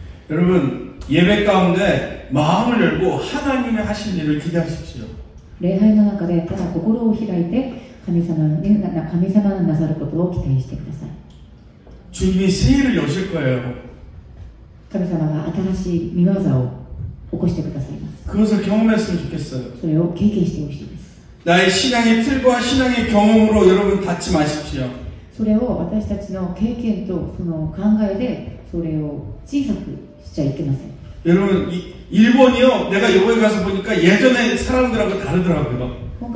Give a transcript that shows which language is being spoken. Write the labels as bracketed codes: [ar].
[ko] 여러분 예배 가운데 마음을 열고 하나님의 하신 일을 기대하십시오. [ja] 礼拝の中でただ心を開いて神様のなさることを期待してください。 [ko] 주님이 새해를 여실 거예요. [ja] 神様が新しい御業を起こしてくださいます。 [ko] 그것을 경험했으면 좋겠어요. [ja] それを経験してほしいです。 [ko] 나의 신앙의 틀과 신앙의 경험으로 여러분 닫지 마십시오. [ja] それを私たちの経験とその考えでそれを小さくしちゃいけません。 [ko] 여러분 일본이요 내가 일본에 가서 보니까 예전에 사람들하고 다르더라고요.